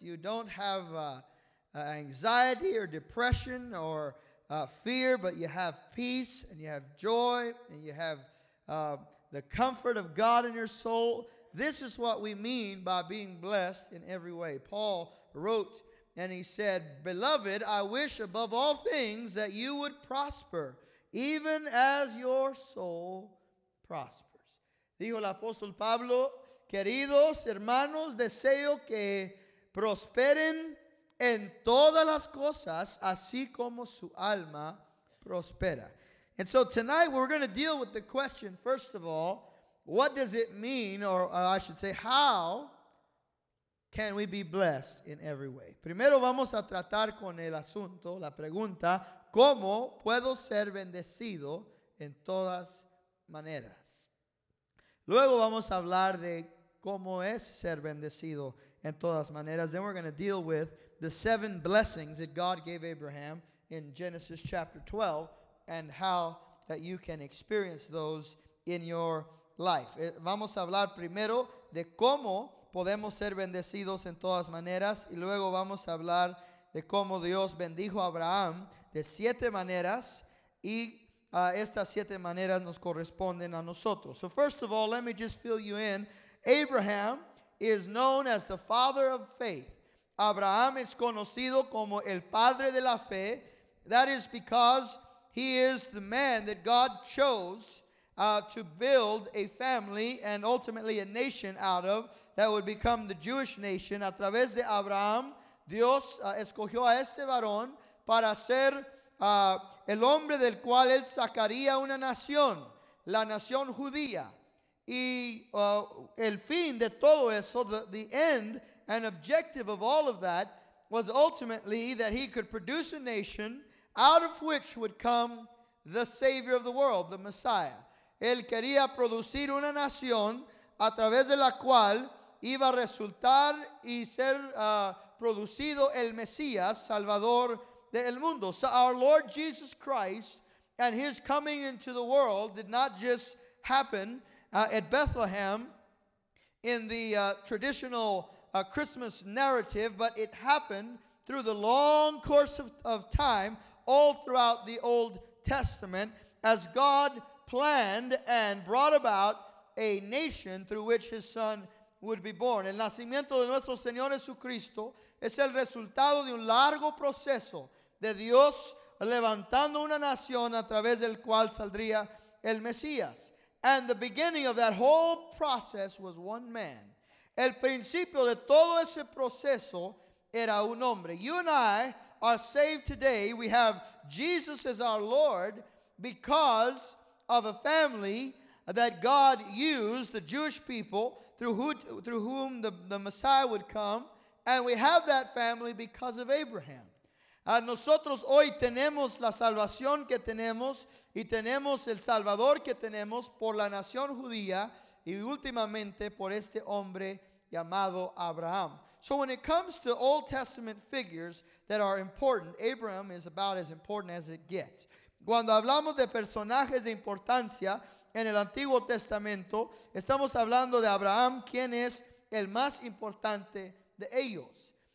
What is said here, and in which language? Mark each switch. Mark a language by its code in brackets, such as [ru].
[en] You don't have anxiety or depression or fear, but you have peace and you have joy and you have the comfort of God in your soul. This is what we mean by being blessed in every way. Paul wrote and he said, beloved, I wish above all things that you would prosper, even as your soul prospers. [es] Dijo el apóstol Pablo, queridos hermanos, deseo que prosperen en todas las cosas, así como su alma prospera. [en] And so tonight we're going to deal with the question, first of all, what does it mean, or I should say, how can we be blessed in every way? [es] Primero vamos a tratar con el asunto, la pregunta, ¿cómo puedo ser bendecido en todas maneras? Luego vamos a hablar de cómo es ser bendecido en todas maneras. [en] Then we're going to deal with the seven blessings that God gave Abraham in Genesis chapter 12. And how that you can experience those in your life. [es] Vamos a hablar primero de cómo podemos ser bendecidos en todas maneras, y luego vamos a hablar de cómo Dios bendijo a Abraham de siete maneras, y estas siete maneras nos corresponden a nosotros. [en] So first of all, let me just fill you in. Abraham is known as the father of faith. [es] Abraham es conocido como el padre de la fe. [en] That is because he is the man that God chose to build a family and ultimately a nation out of that would become the Jewish nation. [es] A través de Abraham, Dios escogió a este varón para ser el hombre del cual él sacaría una nación, la nación judía. Y el fin de todo eso, [en] the end and objective of all of that was ultimately that he could produce a nation out of which would come the Savior of the world, the Messiah. [es] Él quería producir una nación a través de la cual iba a resultar y ser producido el Mesías, Salvador del mundo. [en] So our Lord Jesus Christ and his coming into the world did not just happen at Bethlehem in the traditional Christmas narrative, but it happened through the long course of time all throughout the Old Testament as God planned and brought about a nation through which his son would be born. [es] El nacimiento de nuestro Señor Jesucristo es el resultado de un largo proceso de Dios levantando una nación a través del cual saldría el Mesías. [en] And the beginning of that whole process was one man. [es] El principio de todo ese proceso era un hombre. [en] You and I are saved today. We have Jesus as our Lord because of a family that God used, the Jewish people, through whom the Messiah would come. And we have that family because of Abraham. [es] Nosotros hoy tenemos la salvación que tenemos y tenemos el Salvador que tenemos por la nación judía y últimamente por este hombre llamado Abraham. [en] So when it comes to Old Testament figures that are important, Abraham is about as important as it gets. [es] Cuando hablamos de personajes de importancia en el Antiguo Testamento, estamos hablando de Abraham, quien es el más importante de ellos.